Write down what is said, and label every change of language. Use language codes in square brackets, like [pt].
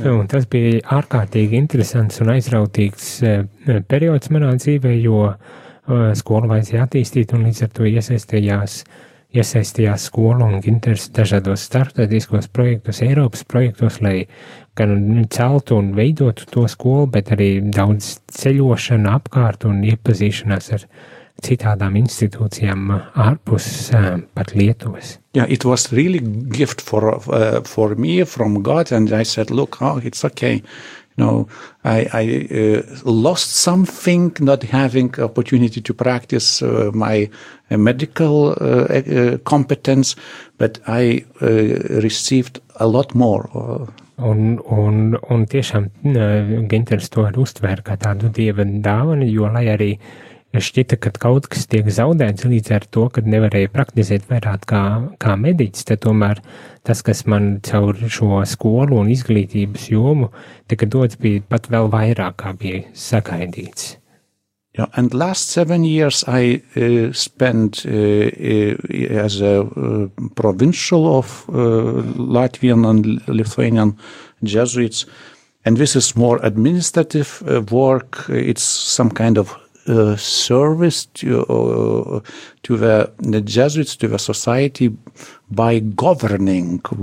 [lv] Un tas bija ārkārtīgi interesants un aizrautīgs periods manā dzīvē, jo skola vajadzēja attīstīt un līdz ar to iesaistījās skolu un Ginters dažādos startautiskos projektos, Eiropas projektos, lai gan celtu un veidotu to skolu, bet arī daudz ceļošana apkārt un iepazīšanās ar citādām institūcijām ārpus pat Lietuvas. [en] Yeah, it was really gift for me from God and I said, look, oh, it's okay. No, I lost something not having opportunity to practice my medical competence, but I received a lot more. [lv] Un tiešām Ginters to ar uztvēru kā tādu dieva dāvanu, jo lai arī šķita, ka kaut kas tiek zaudēts līdz ar to, kad nevarēja praktizēt vairāk kā medicis, tad tomēr tas, kas man caur šo skolu un izglītības jomu, tika dots bija pat vēl vairāk, kā bija sagaidīts. [en] Yeah, and last 7 years I spent as a provincial of Latvian and Lithuanian Jesuits, and this is more administrative work, it's some kind of service to the Jesuits, to the society by governing.